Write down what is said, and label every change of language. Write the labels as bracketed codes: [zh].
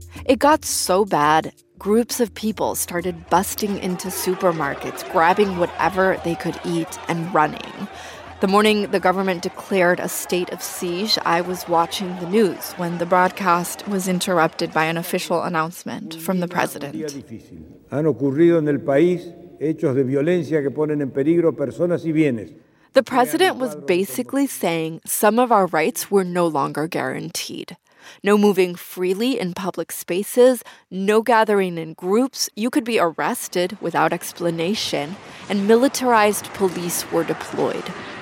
[en] It got so bad, groups of people started busting into supermarkets, grabbing whatever they could eat and running. The morning the government declared a state of siege, I was watching the news when the broadcast was interrupted by an official announcement from the president. [es] Han ocurrido en el país hechos de violencia que ponen en peligro personas y bienes. [en] The president was basically saying some of our rights were no longer guaranteed. No moving freely in public spaces, no gathering in groups, you could be arrested without explanation, and militarized police were deployed.